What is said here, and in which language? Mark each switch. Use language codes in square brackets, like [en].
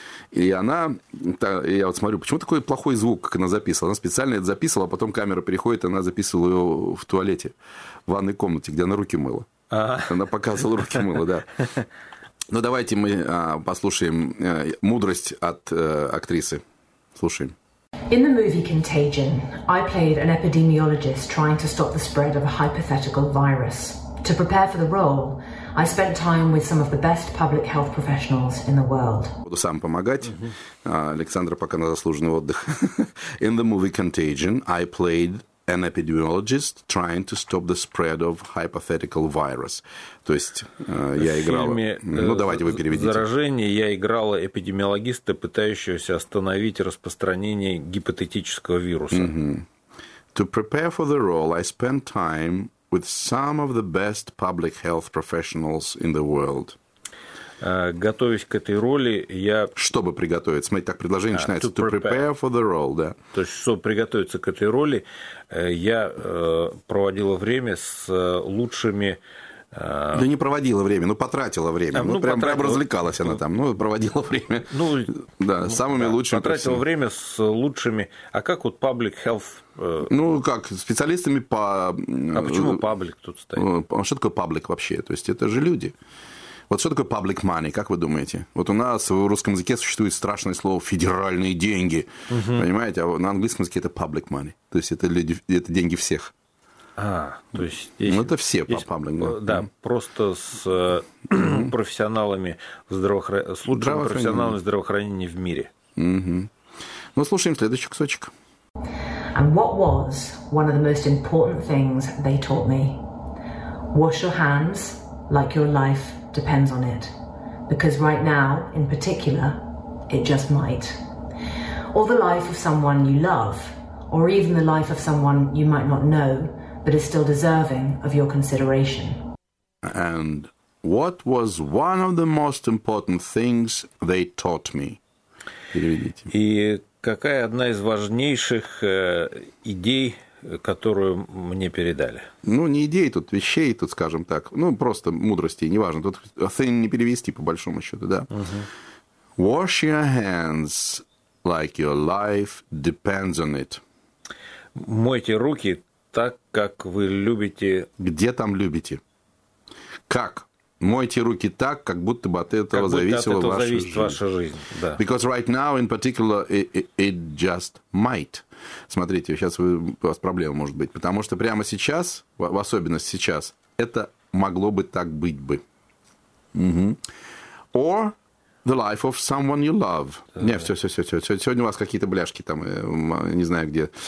[ru] И она, я вот смотрю, почему такой плохой звук, как она записывала? Она специально это записывала, а потом камера переходит, она записывала ее в туалете, в ванной комнате, где она руки мыла. Ага. Она показывала руки мыла, да. Ну, давайте мы послушаем мудрость от актрисы. Слушаем. [en] In the movie Contagion, I played an epidemiologist trying to stop the spread of a hypothetical virus. To prepare for the role, I spent time with some of the best public health professionals in the world. [ru] Буду сам помогать. Александра пока на заслуженный отдых. [en] In the movie Contagion, I played an epidemiologist trying to stop the spread of hypothetical virus. [ru] То есть я играл... Ну, давайте вы переведите. Заражение я играла эпидемиологиста, пытающегося остановить распространение гипотетического вируса. Mm-hmm. [en] To prepare for the role, I spent time with some of the best public health professionals in the world. [ru] Готовясь к этой роли, я... Чтобы приготовиться. Смотрите, так предложение начинается. [en] To prepare for the role, [ru] да. То есть, чтобы приготовиться к этой роли, я проводила время с лучшими... Да не проводила время, но потратила время. Ну, прям, потратила... прям развлекалась она там. Ну, проводила время. Ну, да, ну, самыми лучшими. Потратила время с лучшими. А как вот public health... Ну, как, специалистами по... А почему public тут стоит? Что такое public вообще? То есть, это же люди. Вот что такое public money, как вы думаете? Вот у нас в русском языке существует страшное слово «федеральные деньги», угу. Понимаете? А на английском языке это public money, то есть это, люди, это деньги всех. А, то есть... Здесь, ну, это все здесь, public money. Да, просто с профессионалами, с лучшими профессионалами здравоохранения в мире. Угу. Ну, слушаем следующий кусочек. [en] And what was one of the most important things they taught me? Wash your hands like your life depends on it, because right now, in particular, it just might. Or the life of someone you love, or even the life of someone you might not know, but is still deserving of your consideration. And what was one of the most important things they taught me? [ru] И какая одна из важнейших идей, которую мне передали. Ну, не идеи тут, вещей тут, скажем так. Ну, просто мудрости, неважно. Тут thing не перевести, по большому счету, да. Угу. [en] Wash your hands like your life depends on it. [ru] Мойте руки так, как вы любите... Где там любите? Как? Мойте руки так, как будто бы от этого зависела ваша жизнь. Зависит ваша жизнь, да. [en] Because right now, in particular, it just might. [ru] Смотрите, сейчас у вас проблема может быть. Потому что прямо сейчас, в особенности сейчас, это могло бы так быть бы. Угу. [en] Or the life of someone you love. [ru] Да. Нет, все. Сегодня у вас какие-то бляшки там, не знаю где.